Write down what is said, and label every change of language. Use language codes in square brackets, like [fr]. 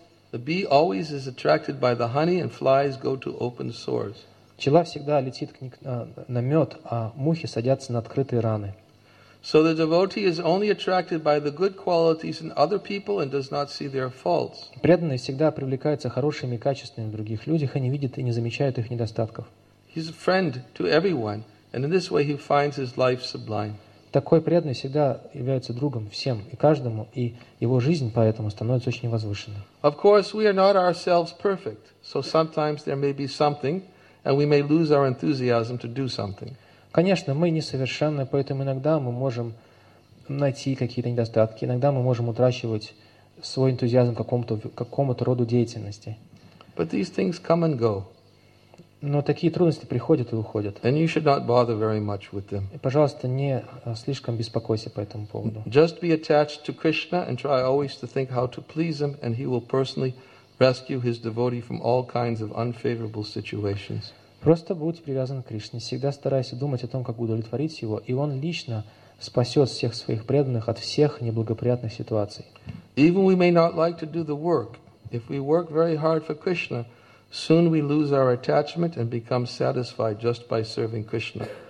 [en] The bee always is attracted by the honey and flies go to open sores. [ru] Пчела всегда летит на мед, а мухи садятся на открытые раны. [en] So the devotee is only attracted by the good qualities in other people and does not see their faults. [ru] Преданный всегда привлекается хорошими качествами в других людях и не видит и не замечает их недостатков. [en] He's a friend to everyone, and in this way he finds his life sublime. [ru] Такой преданный всегда является другом всем и каждому, и его жизнь поэтому становится очень возвышенной. [en] Of course, we are not ourselves perfect, so sometimes there may be something, and we may lose our enthusiasm to do something. [ru] Конечно, мы несовершенны, поэтому иногда мы можем найти какие-то недостатки, иногда мы можем утрачивать свой энтузиазм к какому-то роду деятельности. [en] But these things come and go. [ru] Но такие трудности приходят и уходят. [en] And you should not bother very much with them. [ru] И, пожалуйста, не слишком беспокойся по этому поводу. [en] Just be attached to Krishna and try always to think how to please him, and he will personally rescue his devotee from all kinds of unfavorable situations. [ru] Просто будь привязан к Кришне, всегда старайся думать о том, как удовлетворить его, и он лично спасет всех своих преданных от всех неблагоприятных ситуаций. [en] Even we may not like to do the work, if we work very hard for Krishna, soon we lose our attachment and become satisfied just by serving Krishna.